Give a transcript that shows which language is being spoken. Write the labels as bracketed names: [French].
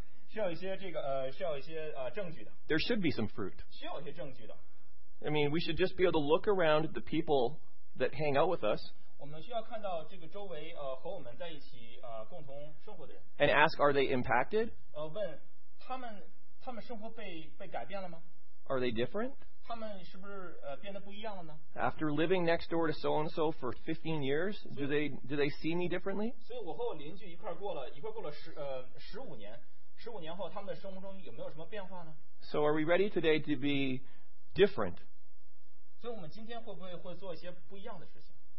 [Chinese] 需要一些这个需要一些证据的。 [English] There should be some fruit. [Chinese] 需要一些证据的。 [English] I mean, we should just be able to look around at the people that hang out with us. [Chinese] 我们需要看到这个周围和我们在一起共同生活的人。 [English] And ask, are they impacted? [Chinese] 问他们生活被改变了吗？ [English] Are they different? [Chinese] 他们是不是变得不一样了呢？ [English] After living next door to so and so for 15 years, do they see me differently? [Chinese] 所以我和我邻居一块过了十五年，十五年后他们的生活中有没有什么变化呢？ [English] So are we ready today to be different? [Chinese] 所以我们今天会不会做一些不一样的事情？